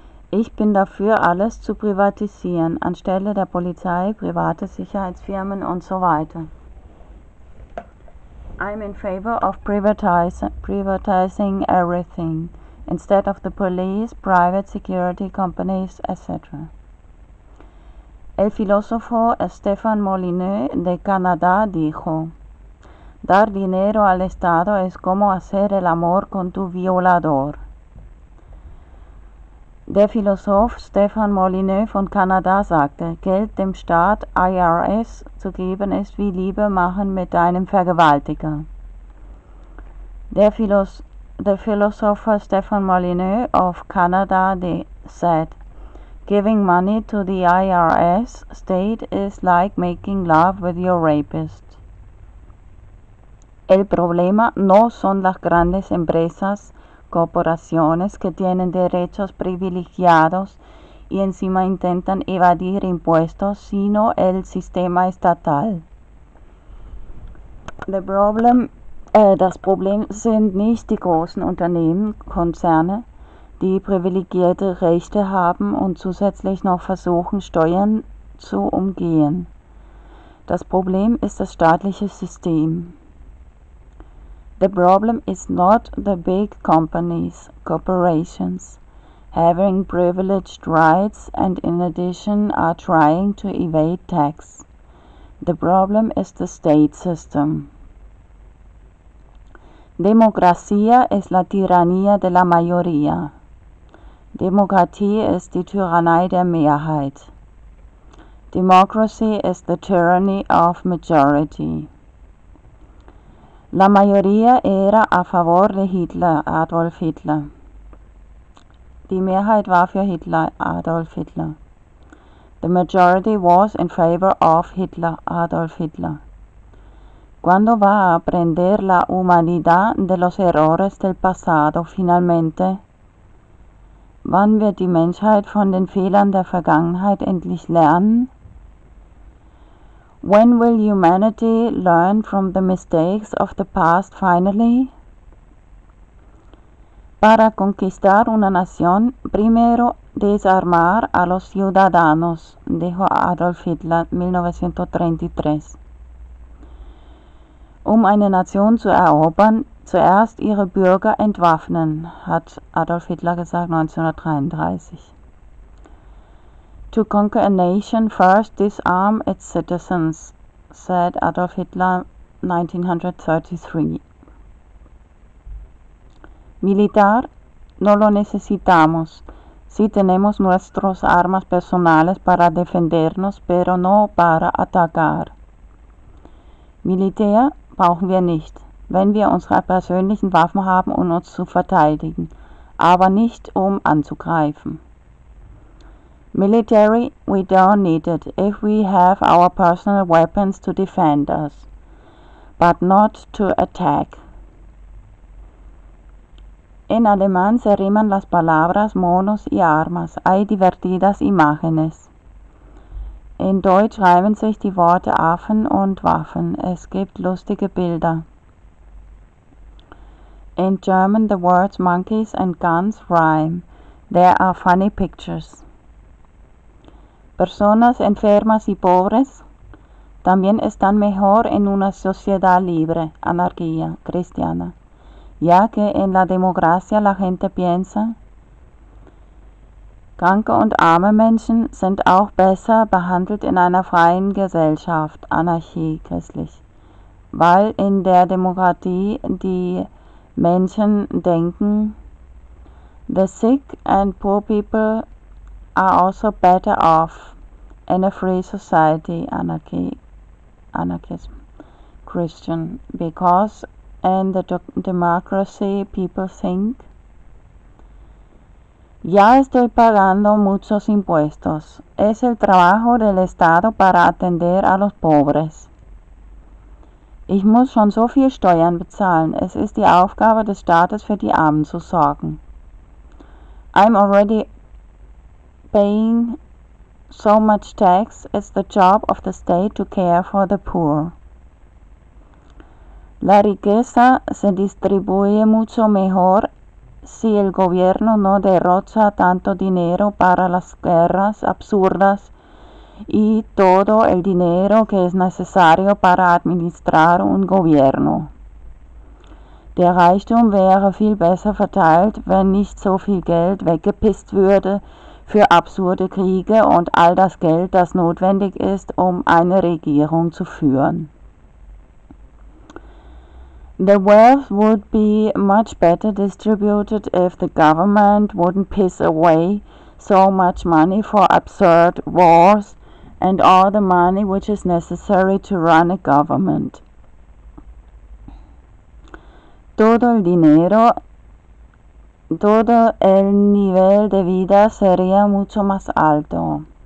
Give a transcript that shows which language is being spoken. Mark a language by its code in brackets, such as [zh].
[de] Ich bin dafür, alles zu privatisieren, anstelle der Polizei, private Sicherheitsfirmen und so weiter. [en] I'm in favor of privatizing everything, instead of the police, private security companies, etc. [es] El filósofo Stephen Molyneux de Canadá dijo: Dar dinero al Estado es como hacer el amor con tu violador. [de] Der Philosoph Stephen Molyneux von Kanada sagte: Geld dem Staat IRS zu geben, ist wie Liebe machen mit deinem Vergewaltiger. Der Philosoph [en] Stephen Molyneux of Canada said: Giving money to the IRS state is like making love with your rapist. [es] El problema no son las grandes empresas, corporaciones que tienen derechos privilegiados y encima intentan evadir impuestos, sino el sistema estatal. [de] Das Problem sind nicht die großen Unternehmen, Konzerne, die privilegierte Rechte haben und zusätzlich noch versuchen, Steuern zu umgehen. Das Problem ist das staatliche System. [en] The problem is not the big companies, corporations, having privileged rights and in addition are trying to evade tax. The problem is the state system. [de] Demokratie ist [es] la tiranía de la mayoría. [de] Demokratie ist die Tyrannei der Mehrheit. [en] Democracy is the tyranny of majority. [es] La mayoría era a favor de Hitler, Adolf Hitler. [de] Die Mehrheit war für Hitler, Adolf Hitler. [en] The majority was in favor of Hitler, Adolf Hitler. [es] ¿Cuándo va a aprender la humanidad de los errores del pasado, finalmente? [de] ¿Wann wird die Menschheit von den Fehlern der Vergangenheit endlich lernen? [en] When will humanity learn from the mistakes of the past finally? [es] Para conquistar una nación, primero desarmar a los ciudadanos, dijo Adolf Hitler 1933. [de] Um eine Nation zu erobern, zuerst ihre Bürger entwaffnen, hat Adolf Hitler gesagt 1933. [en] To conquer a nation, first disarm its citizens, said Adolf Hitler 1933. [es] Militar, no lo necesitamos. Sí tenemos nuestras armas personales para defendernos, pero no para atacar. [de] Militär brauchen wir nicht, wenn wir unsere persönlichen Waffen haben, um uns zu verteidigen, aber nicht um anzugreifen. [en] Military, we don't need it if we have our personal weapons to defend us, but not to attack. [es] En alemán se riman las palabras monos y armas. Hay divertidas imágenes. [de] En Deutsch reimen sich die Worte Affen und Waffen. Es gibt lustige Bilder. [en] In German the words monkeys and guns rhyme. There are funny pictures. [es] Personas enfermas y pobres también están mejor en una sociedad libre, anarquía cristiana, ya que en la democracia la gente piensa, [de] kranke und arme Menschen sind auch besser behandelt in einer freien Gesellschaft, Anarchie christlich, weil in der Demokratie die Menschen denken, [en] the sick and poor people are also better off. In a free society, anarchy, anarchism. Christian, because in the democracy people think, [es] ya estoy pagando muchos impuestos. Es el trabajo del Estado para atender a los pobres. [de] Ich muss schon so viel Steuern bezahlen. Es ist die Aufgabe des Staates, für die Armen zu sorgen. [en] I'm already paying so much tax. It's the job of the state to care for the poor. [es] La riqueza se distribuye mucho mejor si el gobierno no derrocha tanto dinero para las guerras absurdas y todo el dinero que es necesario para administrar un gobierno. [de] Der Reichtum wäre viel besser verteilt, wenn nicht so viel Geld weggepisst würde für absurde Kriege und all das Geld, das notwendig ist, um eine Regierung zu führen. [en] The wealth would be much better distributed if the government wouldn't piss away so much money for absurd wars and all the money which is necessary to run a government. [es] Todo el dinero, todo el nivel de vida sería mucho más alto.